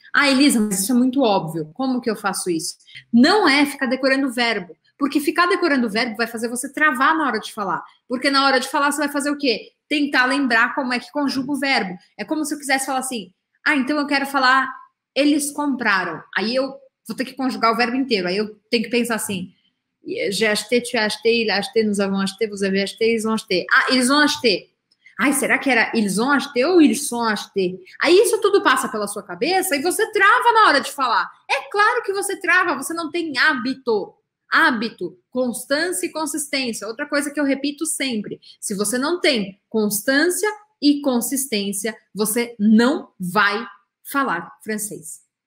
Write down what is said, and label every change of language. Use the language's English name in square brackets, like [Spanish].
[Portuguese] Ah, Elisa, mas isso é muito óbvio. Como que eu faço isso? Não é ficar decorando verbo. Porque ficar decorando verbo vai fazer você travar na hora de falar. Porque na hora de falar, você vai fazer o quê? Tentar lembrar como é que conjuga o verbo. É como se eu quisesse falar assim. Ah, então eu quero falar, eles compraram. Aí eu vou ter que conjugar o verbo inteiro. Aí eu tenho que pensar assim. [French] J'ai acheté, tu as acheté, il a acheté, nous avons acheté, vous avez acheté, ils ont acheté. Ah, ils ont acheté. [Portuguese] Ai, será que era [French] ils ont acheté [Portuguese] ou [French] ils sont acheté? [Portuguese] Aí isso tudo passa pela sua cabeça e você trava na hora de falar. É claro que você trava, você não tem hábito. Hábito, constância e consistência. Outra coisa que eu repito sempre. Se você não tem constância e consistência, você não vai falar francês.